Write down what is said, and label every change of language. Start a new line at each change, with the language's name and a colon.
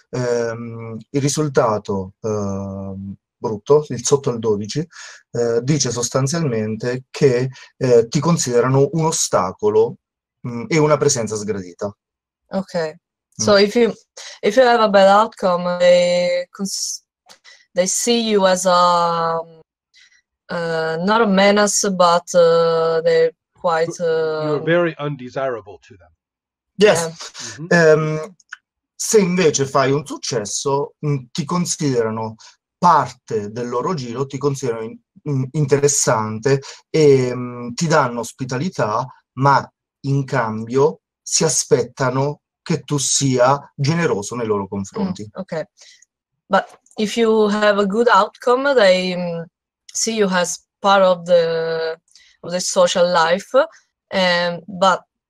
Italian: Il risultato brutto, il sotto al 12, dice sostanzialmente che ti considerano un ostacolo e una presenza sgradita.
English: Okay, so if you have a bad outcome, they see you as not a menace, but they're quite You're very undesirable to them. Yes.
Italian: Se invece fai un successo, ti considerano parte del loro giro, ti considerano interessante e ti danno ospitalità, ma in cambio si aspettano che tu sia generoso nei loro confronti.
English: Okay, but if you have a good outcome, they see you as part of the social life, and but